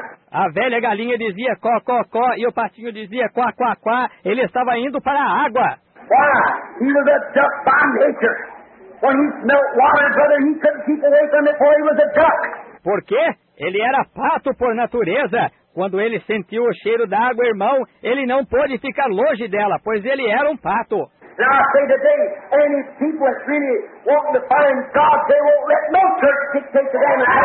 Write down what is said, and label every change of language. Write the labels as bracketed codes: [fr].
[pt] A velha galinha dizia có, có, có, e o patinho dizia quá, quá, quá. Ele estava indo para a água. [en] Why? He was a duck by nature. When he smelt water, brother, he couldn't keep away from it, for he was a duck. [pt] Por quê? Ele era pato por natureza. Quando ele sentiu o cheiro d'água, irmão, ele não pôde ficar longe dela, pois ele era um pato. [en] Now I say today, any people that's really wanting to find God, they won't let no church dictate to them.